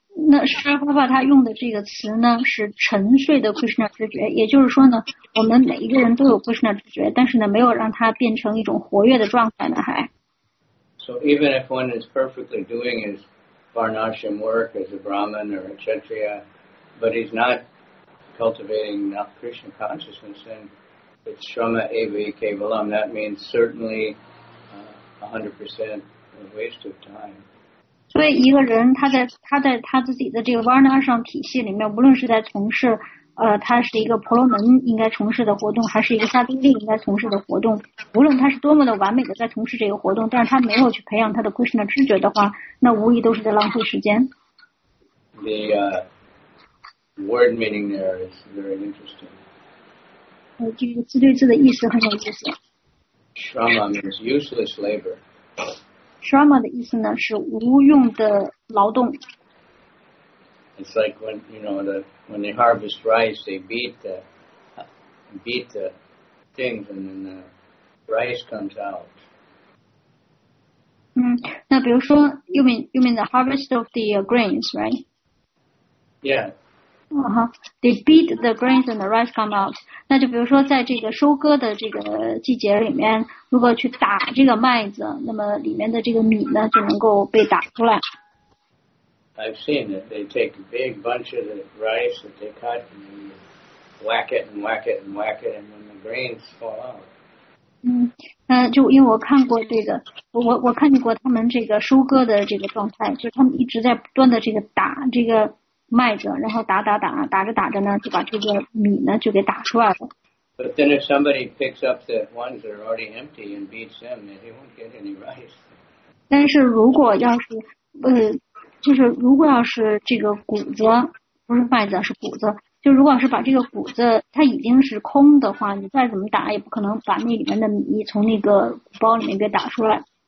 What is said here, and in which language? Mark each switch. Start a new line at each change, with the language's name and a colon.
Chinese: 那释迦牟尼佛他用的这个词呢是沉睡的 Krishna 知觉，也就是说呢，我们每一个人都有 Krishna 知觉，但是呢，没有让它变成一种活跃的状态呢，还。
English: So even if one is perfectly doing his Varnashram work as a Brahmin or a Kshatriya, but he's not cultivating enough Krishna consciousness, then it's Shrama Eva Kevalam. That means certainly 100% a waste of time.
Chinese: 所以一个人他在他自己的这个 Varnashram 体系里面，无论是在从事他是一个婆罗门应该从事的活动，还是一个萨丁利应该从事的活动，无论他是多么的完美的在从事这个活动，但是他没有去培养他的 Krishna 知觉的话，那无疑都是在浪费时间。
English: The word meaning there is very interesting.
Chinese: 这个字对字的意思很有意思。
English: Shrama means useless labor.
Chinese: Shrama 的意思呢是无用的劳动。
English: It's like when you know that when they harvest rice, they beat the things, and then the rice comes out.
Chinese: 那比如说 ，
English: you mean the harvest of the grains, right? Yeah. They beat the grains and the rice come out.
Chinese: 那就比如说在这个收割的这个季节里面。如果去打这个麦子，那么里面的这个米呢就能够被打出来。
English: I've seen it. They take a big bunch of the rice that they cut and whack it and whack it and whack it, and when the grains fall out,
Chinese: 就因为我看过这个，我看见过他们这个收割的这个状态，就是他们一直在不断的这个打这个麦子，然后打着打着呢，就把这个米呢就给打出来了。
English: But then if somebody picks up the ones that are already empty and beats them, they won't get any rice.
Chinese: 但是如果要是，就是如果要是这个谷子，不是麦子，是谷子，就如果要是把这个谷子它已经是空的话，你再怎么打也不可能把那里面的米从那个包里面给打出来。